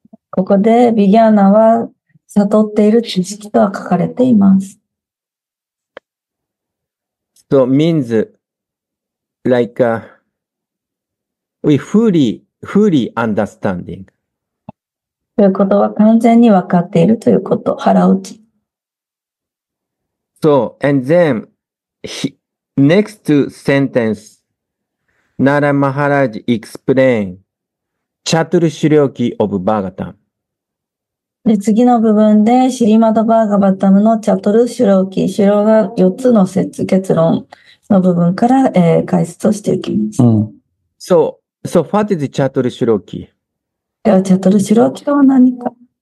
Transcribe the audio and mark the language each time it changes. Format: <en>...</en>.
<ja>ここでビギャーナは悟っている知識とは書かれています。</ja> <en>So means, like, we fully understanding.</en> <ja>ということは完全に分かっているということ、腹落ち。</ja> <en>So, and then, next sentence, Nara Maharaj explain Chatur Shiryoki of Bhagavatam.</en> <ja>で、次の部分で、シリマド・バーガバタムのチャトル・シュローキ、シュローが4つの説、結論の部分から、解説をしていきます。</ja> <en>So, what is Chatur Shiryoki?</en> <ja>では、チャトルシロキとは何か。</ja>